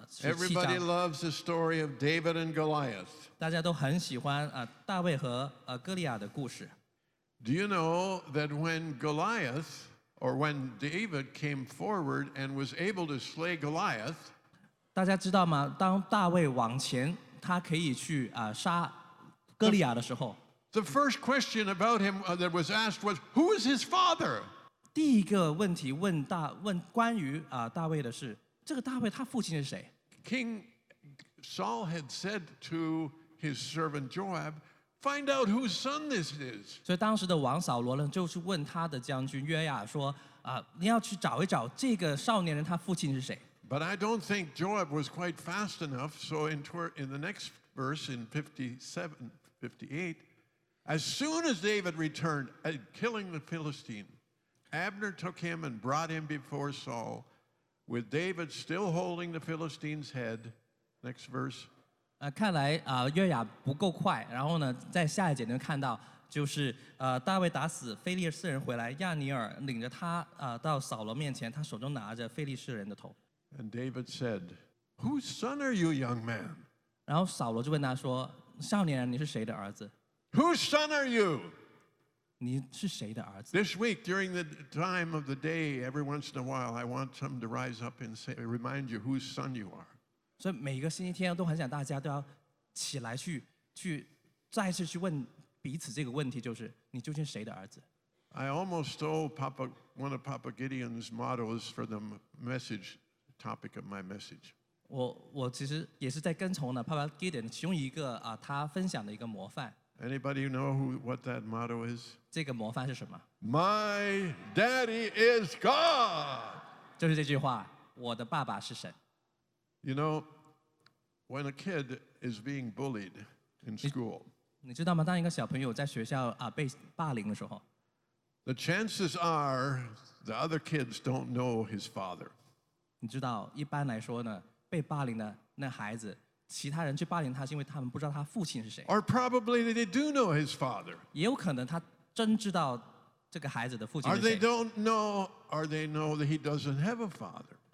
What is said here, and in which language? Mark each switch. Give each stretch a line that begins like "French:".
English: Everybody loves the story of David and Goliath.
Chinese: 大家都很喜欢大卫和哥利亚的故事。
English: Do you know that when Goliath, or when David came forward and was able to slay Goliath,
Chinese: 大家知道吗？当大卫往前，他可以去杀哥利亚的时候。
English: The first question about him that was asked was, who is his father?
Chinese: 第一个问题问关于大卫的是，这个大卫他父亲是谁？
English: King Saul had said to his servant Joab, find out whose son this is.
Chinese: 所以当时的王扫罗就是问他的将军约雅说，你要去找一找这个少年人他父亲是谁。
English: But I don't think Joab was quite fast enough, so in the next verse, in 57, 58, as soon as David returned, killing the Philistine, Abner took him and brought him before Saul, with David still holding the Philistine's head. Next verse.
Chinese: 看来约雅不够快，然后呢，在下一节能看到，就是大卫打死非利士人回来，亚尼尔领着他到扫罗面前，他手中拿着非利士人的头。
English: And David said, "Whose son are you, young man?"
Chinese: 然后扫罗就问他说，少年人，你是谁的儿子？
English: Whose son are you?
Chinese: 你是谁的儿子？
English: This week, during the time of the day, every once in a while, I want them to rise up and say, remind you whose son you are.
Chinese: 所以每个星期天都很想大家都要起来去再次去问彼此这个问题，就是你究竟谁的儿子？
English: I almost stole one of Papa Gideon's mottos for the message. Topic of my message.
Chinese: 我其实也是在跟从呢 Papa Gideon 其中一个他分享的一个模范。
English: Anybody know what that motto is?
Chinese: 这个模范是什么？
English: My daddy is God.
Chinese: 就是这句话，我的爸爸是神。
English: You know, when a kid is being bullied in school,
Chinese: 你知道吗？当一个小朋友在学校被霸凌的时候
English: ，The chances are the other kids don't know his father.
Chinese: 你知道，一般来说呢，被霸凌的那孩子，其他人去霸凌他，是因为他们不知道他父亲是谁。
English: Or probably they do know his father.
Chinese: 也有可能他真知道这个孩子的父亲是谁。
English: Or they don't know, or they know that he doesn't have a father.